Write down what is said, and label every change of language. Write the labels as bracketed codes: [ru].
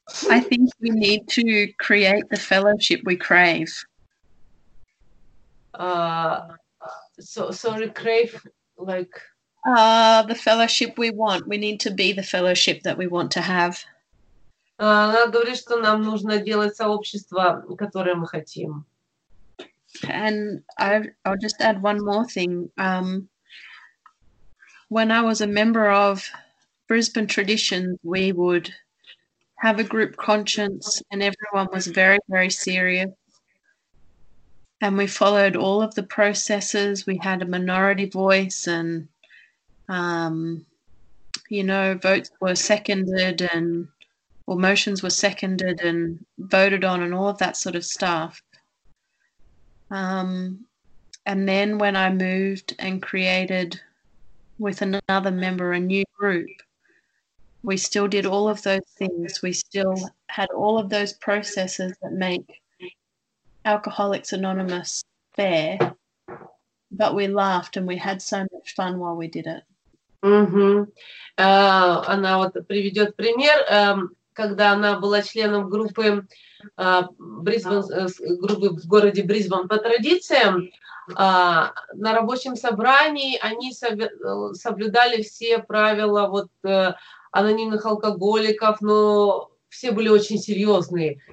[en] I think we need to create the fellowship we crave. Crave like. The fellowship we want. We need to be the fellowship that we want to have. Она говорит, что нам нужно делать сообщество, которое мы хотим. And I'll just add one more thing. When I was a member of Brisbane Tradition, we would have a group conscience, and everyone was very, very serious. And we followed all of the processes. We had a minority voice, and votes were seconded, and or motions were seconded and voted on, and all of that sort of stuff. And then when I moved and created with another member a new group, we still did all of those things. We still had all of those processes that make Alcoholics Anonymous fair, but we laughed and we had so much fun while we did it. Угу. [ru] Она вот приведет пример, когда она была членом группы Брисбен, группы в городе Брисбен по традициям. На рабочем собрании они соблюдали все правила вот анонимных алкоголиков, но все были очень серьезные.